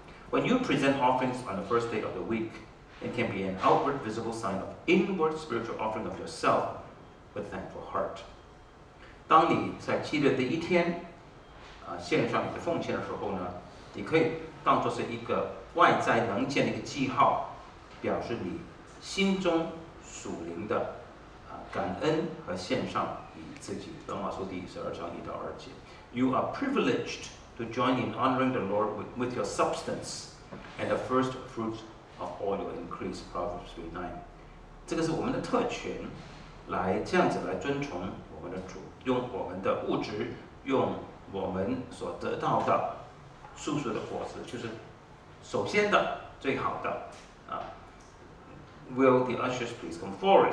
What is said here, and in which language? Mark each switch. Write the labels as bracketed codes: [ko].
[en] When you present offerings on the first day of the week, it can be an outward visible sign of inward spiritual offering of yourself with thankful heart. [zh] 当你在七日的一天献上你的奉献的时候呢，你可以当作是一个外在能见的一个记号，表示你心中属灵的感恩和献上你自己。 [en] 罗马书12:1-2。You are privileged. To join in honoring the Lord with your substance and the first fruits of all your increase, Proverbs 3:9. [zh] 这个是我们的特权，来这样子来遵从我们的主，用我们的物质，用我们所得到的素素的果实，就是首先的最好的啊。 [en] Will the ushers please come forward?